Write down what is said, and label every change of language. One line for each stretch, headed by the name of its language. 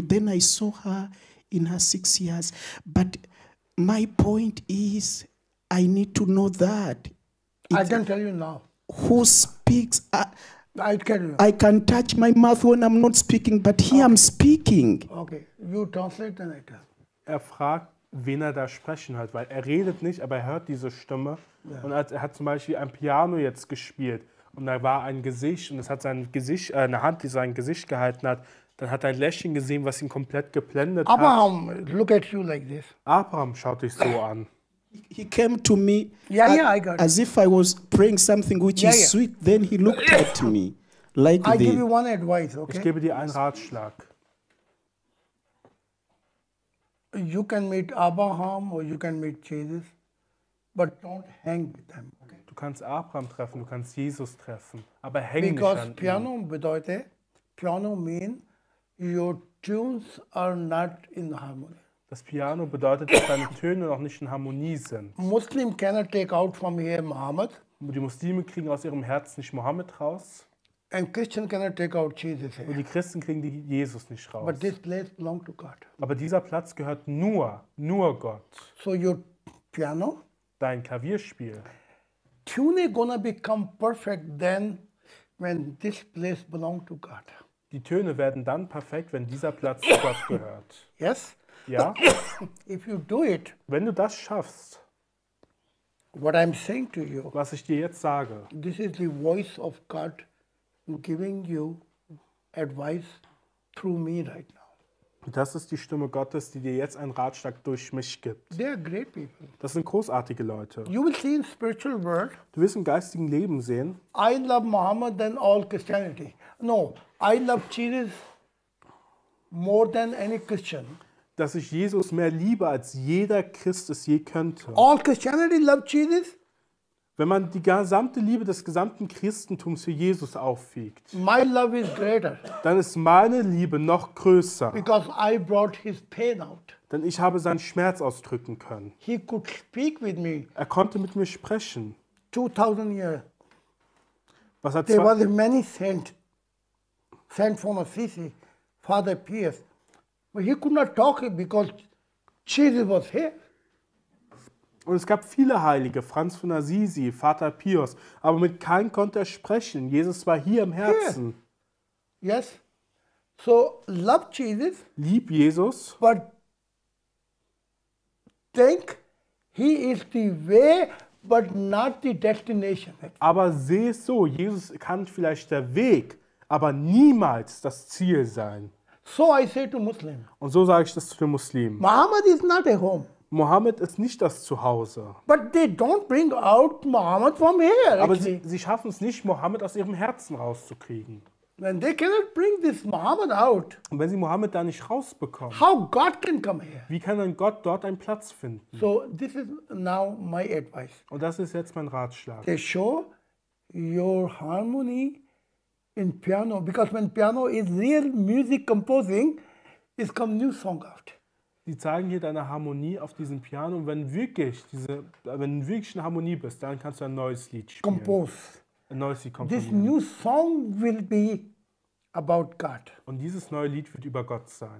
English: Then I saw her in her 6 years. But my point is, I need to know that. I can tell you now. Who speaks? I can touch my mouth when I'm not speaking, but here okay. I'm speaking. Okay, you translate and I tell.
German: Er fragt, wen er da sprechen hört, weil er redet nicht, aber er hört diese Stimme. Yeah. Und er hat zum Beispiel ein Piano jetzt gespielt und da war ein Gesicht und es hat sein Gesicht, eine Hand, die sein Gesicht gehalten hat. Dann hat er ein Lächeln gesehen, was ihn komplett geblendet Abraham, hat.
English: Abraham, look at you like this.
German: Abraham schaut dich so an.
English: He came to me as if I was praying something which is sweet. Then he looked at me like this. I give you one advice, okay?
German: Ich gebe dir einen Ratschlag.
English: You can meet Abraham or you can meet Jesus, but don't hang with them. Okay?
German: Du kannst Abraham treffen, du kannst Jesus treffen, aber häng
English: Because
German: nicht an ihm.
English: Because piano means your tunes are not in harmony.
German: Das Piano bedeutet, dass deine Töne noch nicht in Harmonie sind.
English: Muslim cannot take out from here Muhammad.
German: Die Muslime kriegen aus ihrem Herzen nicht Mohammed raus.
English: And Christian cannot take out Jesus here.
German: Und die Christen kriegen die Jesus nicht raus.
English: But this place belongs to God.
German: Aber dieser Platz gehört nur Gott.
English: So your piano,
German: dein Klavierspiel,
English: tune gonna become perfect then when this place belongs to God.
German: Die Töne werden dann perfekt, wenn dieser Platz zu Gott gehört.
English: Yes.
German: Ja.
English: If you do it,
German: wenn du das schaffst,
English: what I'm saying to you,
German: was ich dir jetzt sage,
English: this is the voice of God giving you advice through me right now.
German: Das ist die Stimme Gottes, die dir jetzt einen Ratschlag durch mich gibt.
English: They are great people.
German: Das sind großartige Leute.
English: You will see in spiritual world,
German: du wirst im geistigen Leben sehen.
English: I love Muhammad than all Christianity. No, I love Jesus more than any Christian.
German: Dass ich Jesus mehr liebe, als jeder Christ es je könnte.
English: All Christianity loves Jesus?
German: Wenn man die gesamte Liebe des gesamten Christentums für Jesus aufwiegt,
English: my love is greater.
German: Dann ist meine Liebe noch größer.
English: Because I brought his pain out.
German: Denn ich habe seinen Schmerz ausdrücken können.
English: He could speak with me.
German: Er konnte mit mir sprechen.
English: 2000 years.
German: Was hat
English: There was a many sent from Assisi, Father Pius. But he could not talk because Jesus was here.
German: Und es gab viele Heilige, Franz von Assisi, Vater Pius, aber mit keinem konnte er sprechen. Jesus war hier im Herzen.
English: Here. Yes. So love Jesus.
German: Lieb Jesus.
English: But think he is the way, but not the destination.
German: Aber seh es so, Jesus kann vielleicht der Weg, aber niemals das Ziel sein.
English: So I say to Muslim.
German: Und so sage ich das zu den Muslimen.
English: Muhammad is not a home.
German: Muhammad ist nicht das Zuhause.
English: But they don't bring out Muhammad from here.
German: Aber sie schaffen es nicht, Muhammad aus ihrem Herzen rauszukriegen.
English: And they cannot bring this Muhammad out.
German: Und wenn sie Muhammad da nicht rausbekommen.
English: How God can come here?
German: Wie kann dann Gott dort einen Platz finden?
English: So this is now my advice.
German: Und das ist jetzt mein Ratschlag.
English: They show your harmony in piano, because when piano is real music composing, it's come new song out.
German: Die zeigen hier deine Harmonie auf diesem Piano. Und wenn wirklich in Harmonie bist, dann kannst du ein neues Lied spielen.
English: Compose.
German: Ein neues Lied komponieren.
English: This new song will be about God.
German: Und dieses neue Lied wird über Gott sein.